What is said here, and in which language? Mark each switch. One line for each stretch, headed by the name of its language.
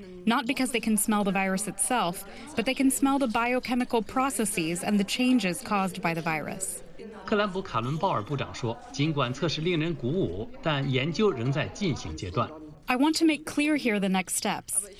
English: Not because they can smell the virus itself, but they can smell the biochemical processes and the changes caused by the virus.
Chinese: 克兰普·卡伦鲍尔部长说，尽管测试令人鼓舞，但研究仍在进行阶段。
English: I want to make clear here the next steps.